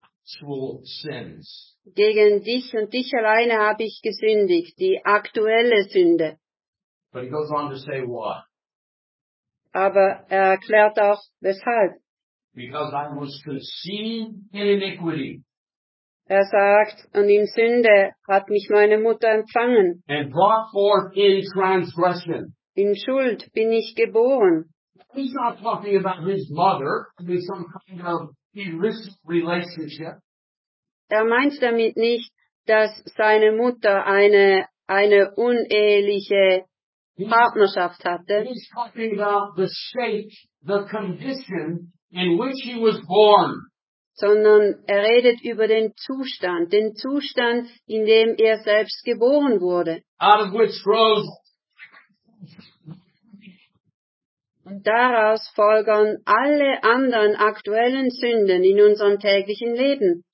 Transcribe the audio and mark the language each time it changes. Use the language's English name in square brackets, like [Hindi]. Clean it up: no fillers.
[German] Gegen dich und dich alleine habe ich gesündigt, die aktuelle Sünde. [English] But he goes on to say why. [German] Aber er erklärt auch, weshalb. [English] Because I was conceived in iniquity. [German] Er sagt, und in Sünde hat mich meine Mutter empfangen. [English] And brought forth in transgression. [German] In Schuld bin ich geboren. [English] He's not talking about his mother in some kind of illicit relationship. [German] Er meint damit nicht, dass seine Mutter eine uneheliche Partnerschaft hatte. [English] He's talking about the state, the condition in which he was born. [German] Sondern er redet über den Zustand, in dem er selbst geboren wurde. [English] Out of which rose. [German] Und daraus folgen alle anderen aktuellen Sünden in unserem täglichen Leben.